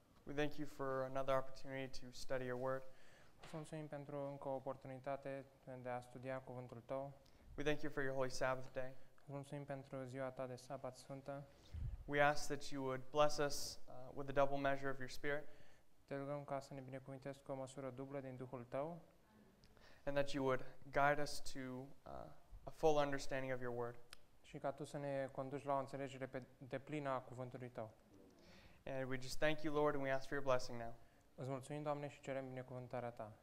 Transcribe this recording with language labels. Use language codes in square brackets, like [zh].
[en] we thank you for another opportunity to study your word. [ro] Mulțumim pentru încă o oportunitate de a studia cuvântul tău. [en] We thank you for your holy Sabbath day. [ro] Mulțumim pentru ziua ta de sabat sfântă. [en] We ask that you would bless us with the double measure of your spirit. [ro] Te rugăm ca să ne binecuvintezi cu o măsură dublă din Duhul tău. [en] And that you would guide us to a full understanding of your word. [ro] Și ca tu să ne conduci la o înțelegere deplină a cuvântului tău. [en] And we just thank you, Lord, and we ask for your blessing now. [ro] Îți mulțumim, Doamne, și cerem binecuvântarea ta.